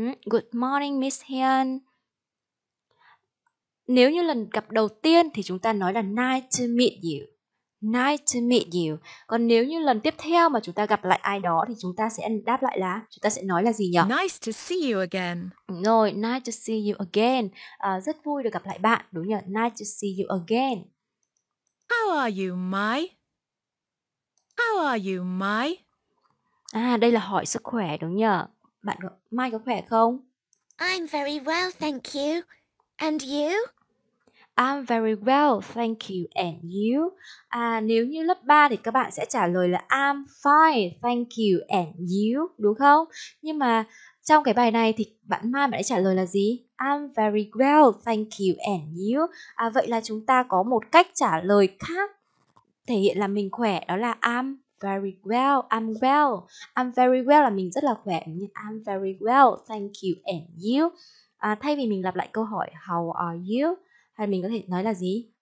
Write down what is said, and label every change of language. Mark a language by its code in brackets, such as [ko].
[en] Good morning, Miss Hiền. [vi] Nếu như lần gặp đầu tiên thì chúng ta nói là [en] nice to meet you. Nice to meet you. [vi] Còn nếu như lần tiếp theo mà chúng ta gặp lại ai đó thì chúng ta sẽ đáp lại là, chúng ta sẽ nói là gì nhỉ? [en] Nice to see you again. [vi] Đúng rồi, [en] nice to see you again. [vi] Rất vui được gặp lại bạn, đúng nhỉ? [en] Nice to see you again. How are you, Mai? How are you, Mai? [vi] À, đây là hỏi sức khỏe, đúng nhỉ? Bạn Mai có khỏe không? [en] I'm very well, thank you. And you? I'm very well, thank you, and you? [vi] À, nếu như lớp 3 thì các bạn sẽ trả lời là [en] I'm fine, thank you, and you, [vi] đúng không? Nhưng mà trong cái bài này thì bạn Mai bạn ấy trả lời là gì? [en] I'm very well, thank you, and you? [vi] À, vậy là chúng ta có một cách trả lời khác thể hiện là mình khỏe, đó là [en] I'm very well, I'm well. I'm very well [vi] là mình rất là khỏe, nhưng [en] I'm very well, thank you, and you? [vi] À, thay vì mình lặp lại câu hỏi [en] how are you? [vi] Hay mình có thể nói là gì?